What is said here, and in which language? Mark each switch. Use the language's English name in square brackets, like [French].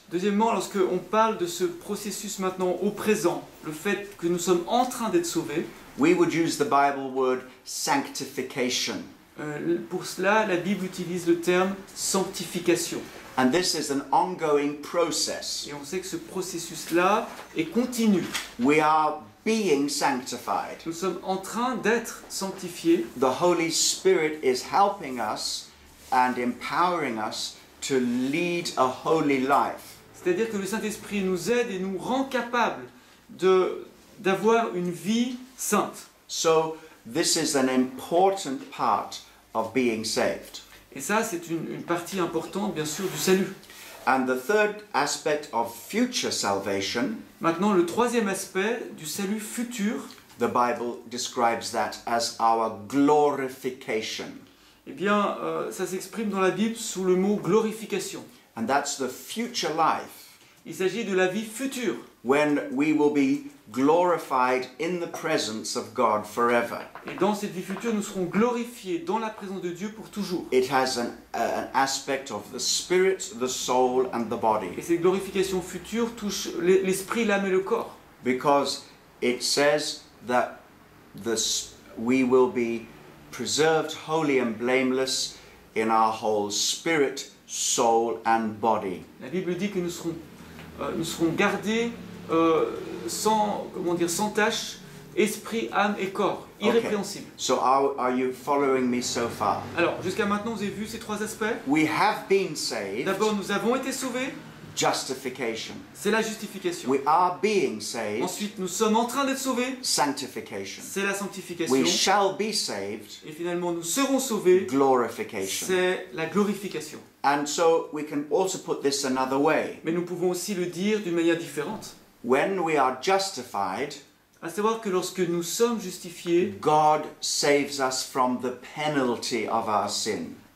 [French] Deuxièmement, lorsque on parle de ce processus maintenant au présent, le fait que nous sommes en train d'être sauvés. [English] We would use the Bible word sanctification. [French] Pour cela, la Bible utilise le terme sanctification. [English] And this is an ongoing process. [French] Et on sait que ce processus-là est continu. [English] We are being sanctified. [French] Nous sommes en train d'être sanctifiés. [English] The Holy Spirit is helping us and empowering us to lead a holy life. [French] C'est-à-dire que le Saint-Esprit nous aide et nous rend capable d'avoir une vie sainte. [English] So this is an important part of being saved. [French] Et ça, c'est une partie importante, bien sûr, du salut. [English] And the third aspect of future salvation. [French] Maintenant, le troisième aspect du salut futur. [English] The Bible describes that as our glorification. [French] Eh bien, ça s'exprime dans la Bible sous le mot glorification. [English] And that's the future life. [French] Il s'agit de la vie future. [English] When we will be glorified in the presence of God forever. [French] Et dans cette vie future, nous serons glorifiés dans la présence de Dieu pour toujours. [English] It has an aspect of the spirit, the soul and the body. [French] Et cette glorification future touche l'esprit, l'âme et le corps. [English] Because it says that we will be preserved holy and blameless in our whole spirit, soul and body. [French] La Bible dit que nous serons gardés sans tache, esprit, âme et corps, irrépréhensible. [English] Okay. So are you following me so far? [French] Alors, jusqu'à maintenant, vous avez vu ces trois aspects? [English] We have been saved. [French] D'abord, nous avons été sauvés. [English] Justification. [French] C'est la justification. [English] We are being saved. [French] Ensuite, nous sommes en train d'être sauvés. [English] Sanctification. [French] C'est la sanctification. [English] We shall be saved. [French] Et finalement, nous serons sauvés. [English] Glorification. [French] C'est la glorification. [English] And so we can also put this another way. [French] Mais nous pouvons aussi le dire d'une manière différente. [English] When we are justified, [French] à savoir que lorsque nous sommes justifiés, [English] God saves us from the penalty of our sin.